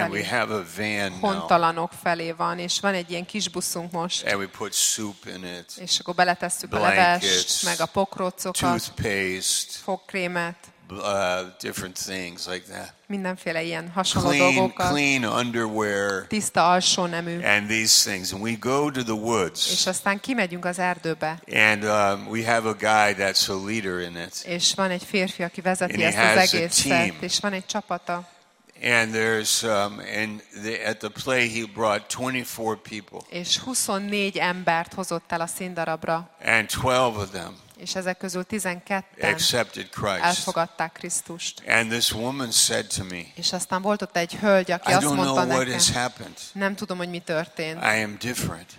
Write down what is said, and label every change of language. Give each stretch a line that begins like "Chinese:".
English: And we have a van.
Hungarian: Hontalanok felé van, és van egy ilyen kis buszunk most.
English: And we put soup in it.
Hungarian: És akkor beletesszük a levest, meg a pokrócokat.
English: Toothpaste.
Hungarian: Fogkrémet.
English: Different things like that.
Hungarian: Mindenféle ilyen hasonló dolgokat.
English: Clean underwear.
Hungarian: Tiszta alsónemű.
English: And these things, and we go to the woods.
Hungarian: És aztán kimegyünk az erdőbe.
English: And we have a guy that's a leader in it.
Hungarian: És van egy férfi, aki vezeti ezt az egészet, és van egy csapata.
English: And there's at the play he brought 24 people.
Hungarian: És 24 embert hozott el a színdarabra.
English: And 12 of them.
Hungarian: És ezek közül 12-en
English: accepted Christ.
Hungarian: Elfogadták Krisztust.
English: And this woman said to me.
Hungarian: És aztán volt ott egy hölgy, aki azt mondta nekem.
English: What has happened.
Hungarian: Nem tudom, hogy mi történt.
English: I am different.